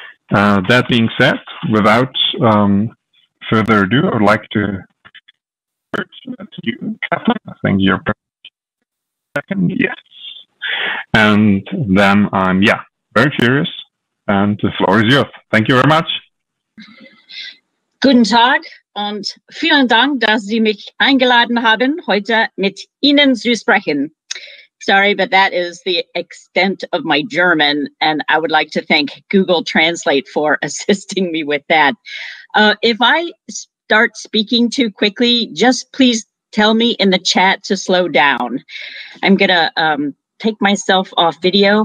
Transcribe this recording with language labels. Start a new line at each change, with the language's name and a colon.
English: That being said, without further ado, I would like to you, Kathleen. I think you're second, yes. And then I'm very curious, and the floor is yours. Thank you very much.
German: Guten Tag und vielen Dank, dass Sie mich eingeladen haben, heute mit Ihnen zu sprechen.
English: Sorry, but that is the extent of my German, and I would like to thank Google Translate for assisting me with that. If I start speaking too quickly, just please tell me in the chat to slow down. I'm going to take myself off video.